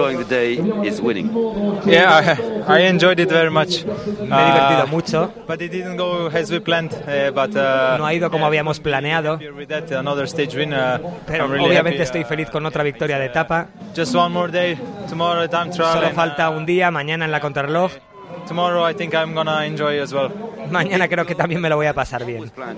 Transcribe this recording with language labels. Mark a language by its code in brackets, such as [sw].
[en] I enjoyed it very much. [es] Me he divertido mucho. [en] But it didn't go as we planned. But [es] no ha ido como habíamos planeado. Pero obviamente estoy feliz con otra victoria de etapa. [en] Just one more day. Tomorrow time trial. [es] Solo falta un día mañana en la contrarreloj. [en] Tomorrow I think I'm gonna enjoy as well. [es] Mañana creo que también me lo voy a pasar bien.